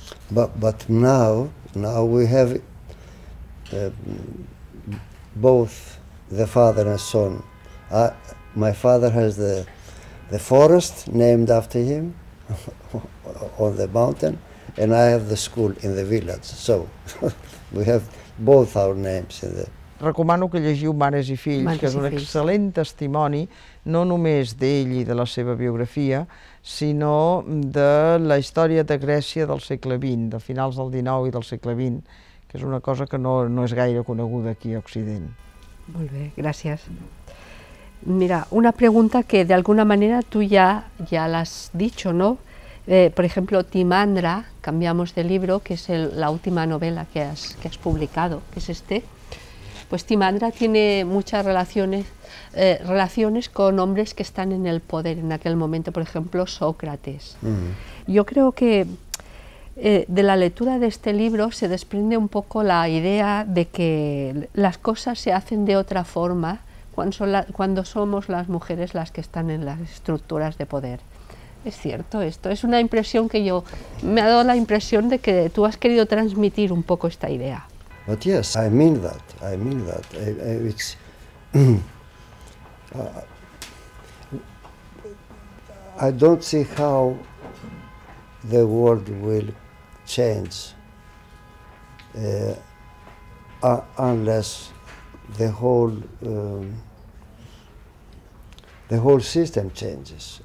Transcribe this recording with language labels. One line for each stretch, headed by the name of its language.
English: But now we have both the father and son. My father has the forest named after him on the mountain, and I have the school in the village. So we have both our names in the
Catalan: recomano que llegiu Mares i fills, Mares que és un fills. Excel·lent testimoni, no només d'ell i de la seva biografia, sinó de la història de Grècia del segle XX, de finals del XIX i del segle XX, que és una cosa que no és gaire coneguda aquí a Occident. Molt bé, gràcies. Mira, una pregunta que d'alguna manera tu ja l'has dit, no?
Spanish: Por ejemplo, Timandra, cambiamos de libro, que es la última novela que has publicado, que es este. Pues Timandra tiene muchas relaciones con hombres que están en el poder en aquel momento, por ejemplo, Sócrates. Uh-huh. Yo creo que de la lectura de este libro se desprende un poco la idea de que las cosas se hacen de otra forma cuando somos las mujeres las que están en las estructuras de poder. Es cierto esto, es una impresión que yo, me ha dado la impresión de que tú has querido transmitir un poco esta idea.
English: But yes, I mean that. I don't see how the world will change unless the whole system changes.